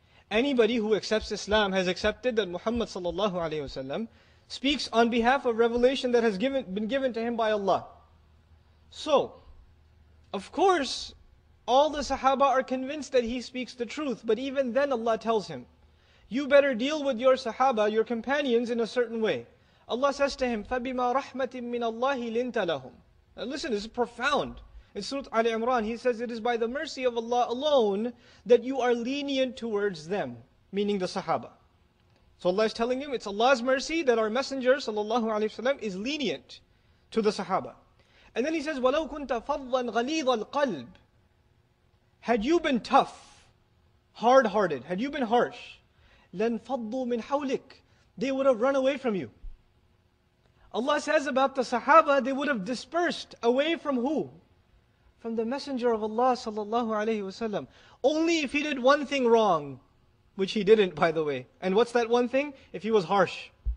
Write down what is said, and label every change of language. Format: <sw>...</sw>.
<en>Anybody who accepts Islam has accepted that Muhammad sallallahu alayhi wa sallam speaks on behalf of revelation that has been given to him by Allah. So, of course, all the Sahaba are convinced that he speaks the truth, but even then Allah tells him, you better deal with your sahaba, your companions, in a certain way. Allah says to him,</en> <ar>فَبِمَا رَحْمَةٍ مِّنَ اللَّهِ لِنْتَ لَهُمْ.</ar> <en>Now listen, this is profound. In Surah Ali Imran, he says, it is by the mercy of Allah alone that you are lenient towards them, meaning the sahaba. So Allah is telling him, it's Allah's mercy that our Messenger sallallahu alayhi wa sallam is lenient to the sahaba. And then he says,</en> <ar>وَلَوْ كُنْتَ فَضَّاً غَلِيظَ الْقَلْبِ.</ar> <en>Had you been tough, hard-hearted, had you been harsh,</en> <ar>لَنْفَضُّوا مِنْ حَوْلِكَ.</ar> <en>They would have run away from you. Allah says about the Sahaba, they would have dispersed away from who? From the Messenger of Allah sallallahu alayhi wa sallam. Only if he did one thing wrong, which he didn't, by the way. And what's that one thing? If he was harsh.</en>